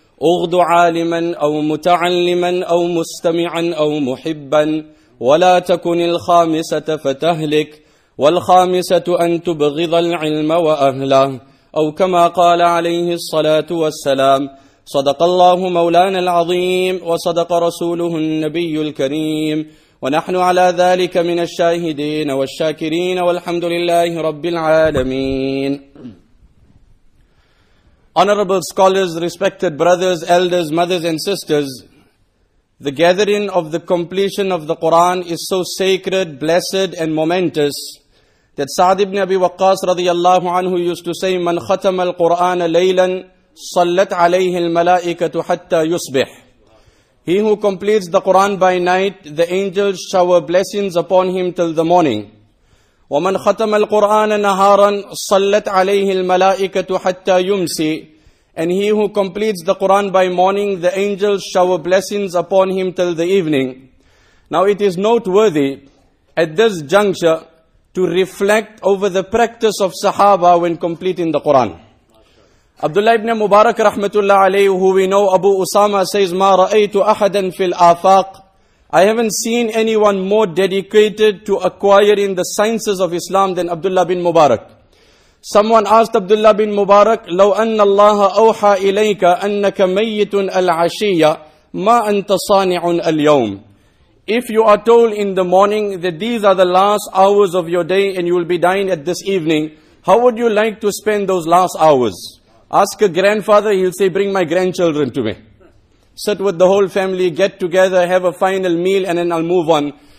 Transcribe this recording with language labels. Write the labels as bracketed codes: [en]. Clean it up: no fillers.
[ar] أغض عالما أو متعلما أو مستمعا أو محبا ولا تكن الخامسة فتهلك والخامسة أن تبغض العلم وأهله أو كما قال عليه الصلاة والسلام صدق الله مولانا العظيم وصدق رسوله النبي الكريم ونحن على ذلك من الشاهدين والشاكرين والحمد لله رب العالمين. [en] Honorable scholars, respected brothers, elders, mothers and sisters, the gathering of the completion of the Quran is so sacred, blessed and momentous that Sa'd ibn Abi Waqqas radiyallahu anhu used to say, [ar] من ختم القرآن ليلا صلت عليه الملائكة حتى يصبح. [en] He who completes the Quran by night, the angels shower blessings upon him till the morning. [ar] وَمَنْ خَتَمَ الْقُرْآنَ نَهَارًا صَلَّتْ عَلَيْهِ الْمَلَائِكَةُ حَتَّى يُمْسِي. [en] And he who completes the Quran by morning, the angels shower blessings upon him till the evening. Now it is noteworthy at this juncture to reflect over the practice of Sahaba when completing the Quran. Abdullah ibn Mubarak rahmatullah alayhi, who we know Abu Usama says, [ar] مَا رَأَيْتُ أَحَدًا فِي الْآفَاقِ. [en] I haven't seen anyone more dedicated to acquiring the sciences of Islam than Abdullah bin Mubarak. Someone asked Abdullah bin Mubarak, [ar] لَوْ أَنَّ اللَّهَ أَوْحَى إِلَيْكَ أَنَّكَ مَيِّتٌ الْعَشِيَّةِ مَا أَنْتَ صَانِعٌ الْيَوْمِ. [en] If you are told in the morning that these are the last hours of your day and you will be dying at this evening, how would you like to spend those last hours? Ask a grandfather, he'll say, bring my grandchildren to me. Sit with the whole family, get together, have a final meal, and then I'll move on.